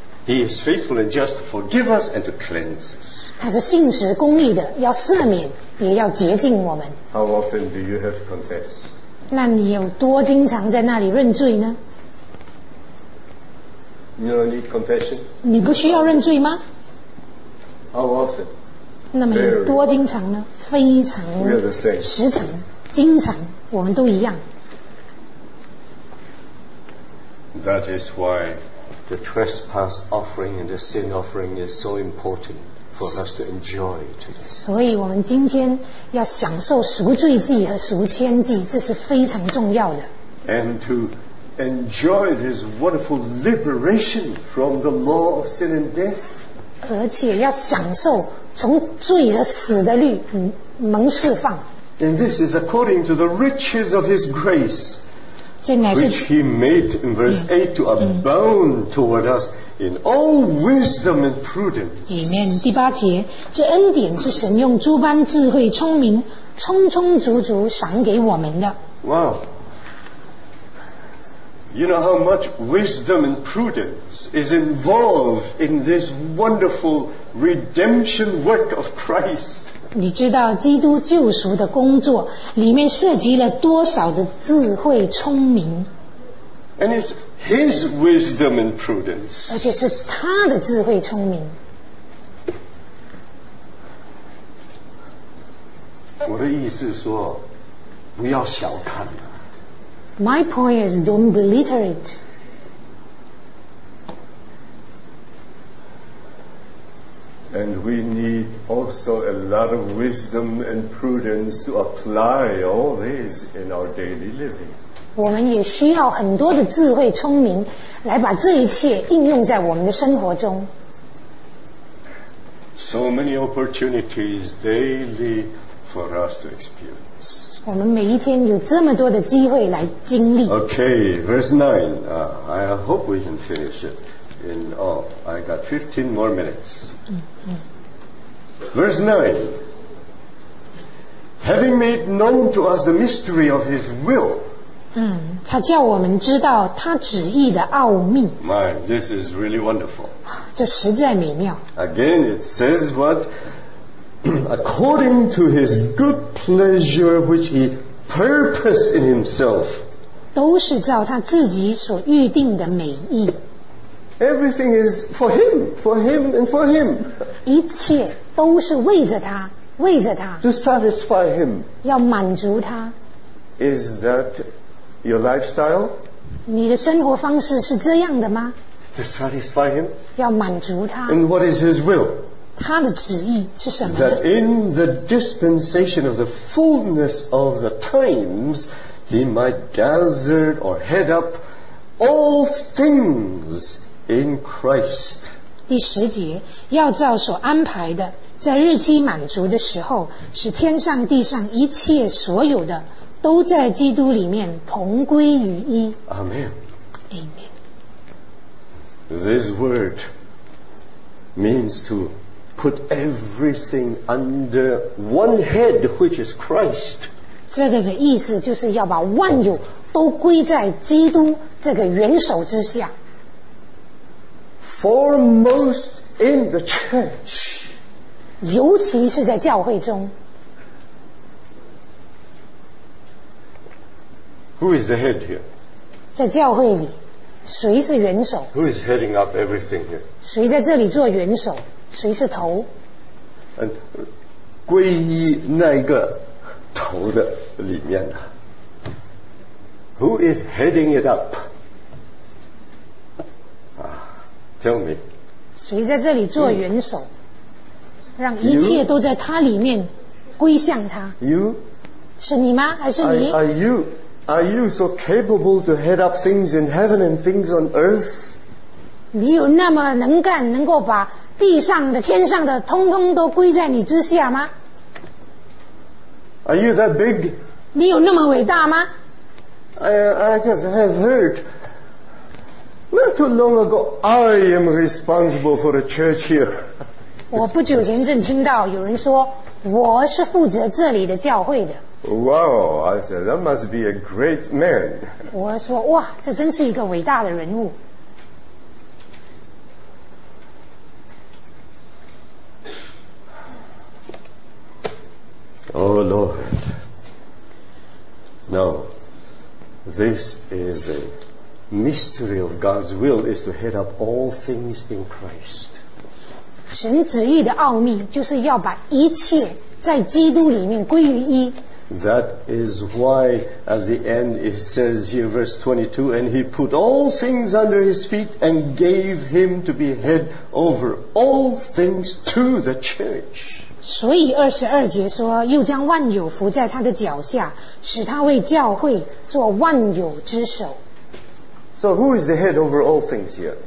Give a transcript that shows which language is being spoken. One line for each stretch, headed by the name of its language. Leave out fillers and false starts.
English: He is faithful and just to forgive us and to cleanse us.
Chinese: 他是信实公义的，要赦免，也要洁净我们。
English: How often do you have to confess?
Chinese: 那你有多经常在那里认罪呢？
English: You don't need confession.
Chinese: 你不需要认罪吗？
English: How often?
Chinese: 那么多经常呢？非常。
English: We are the same.
Chinese: 时常，经常，我们都一样。
English: That is why the trespass offering and the sin offering is so important. For us to enjoy today.
Chinese: 所以我们今天要享受赎罪祭和赎愆祭，这是非常重要的。
English: And to enjoyed his wonderful liberation from the law of sin and death.
Chinese: 而且要享受从罪和死的律蒙释放。
English: And this is according to the riches of his grace, which he made in verse 8 to abound toward us in all wisdom and prudence. Amen.
Chinese: 第八节，这恩典是神用诸般智慧、聪明，充充足足赏给我们的。
English: Wow. You know how much wisdom and prudence is involved in this wonderful redemption work of Christ.
Chinese: 你知道基督救赎的工作里面涉及了多少的智慧聪明？
English: And it's his wisdom and prudence.
Chinese: 而且是他的智慧聪明。我的意思是说，不要小看。
English: My point is don't belittle it. And we need also a lot of wisdom and prudence to apply all these in our daily living.
Chinese: 我们也需要很多的智慧聪明来把这一切应用在我们的生活中。
English: So many opportunities daily for us to experience.
Chinese: 我们每一天有这么多的机会来经历。
English: Okay, verse 9. I hope we can finish it. I got 15 more minutes. Verse 9. Having made known to us the mystery of his will.
Chinese: 他叫我们知道他旨意的奥秘。
English: My, this is really wonderful.
Chinese: 这实在美妙。
English: Again, it says what? According to his good pleasure which he purposed in himself.
Chinese: 都是照他自己所预定的美意。
English: Everything is for him, for him, and for him.
Chinese: 一切都是为着他，为着他。
English: To satisfy him.
Chinese: 要满足他。
English: Is that your lifestyle?
Chinese: 你的生活方式是这样的吗？
English: To satisfy him.
Chinese: 要满足他。
English: And what is his will?
Chinese: 他的旨意是什么？
English: That in the dispensation of the fullness of the times, he might gather or head up all things. In Christ.
Chinese: 第十节，要照所安排的，在日期满足的时候，使天上地上一切所有的，都在基督里面同归于一。
English: Amen. Amen. This word means to put everything under one head, which is Christ.
Chinese: 这个的意思就是要把万有都归在基督这个元首之下。
English: Foremost in the church,
Chinese: 尤其是在教会中。
English: Who is the head here?
Chinese: 在教会里，谁是元首？
English: Who is heading up everything here?
Chinese: 谁在这里做元首？谁是头？
English: And
Chinese: 归依那个头的里面呢？
English: Who is heading it up? Tell me.
Chinese: 谁在这里做元首、嗯、让一切都在他里面归向他
English: you?
Chinese: 是你吗还是你
English: Are you so capable to head up things in heaven and things on earth?
Chinese: 你有那么能干能够把地上的天上的通通都归在你之下吗
English: Are you that big?
Chinese: 你有那么伟大吗
English: I just have heardNot too long ago, I am responsible for the church here.
Chinese: 我不久前正听到有人说，我是负责这里的教会的。
English: Wow, I said, that must be a great man.
Chinese: 我说，哇，这真是一个伟大的人物。
English: Oh Lord, no, this is the. Mystery of God's will is to head up all things in Christ.
Chinese: 神旨意的奥秘就是要把一切在基督里面归于一。
English: That is why at the end it says here verse 22 and he put all things under his feet and gave him to be head over all things to the church.
Chinese: 所以22节说又将万有伏在他的脚下使他为教会做万有之首
English: So who is the head over all things here?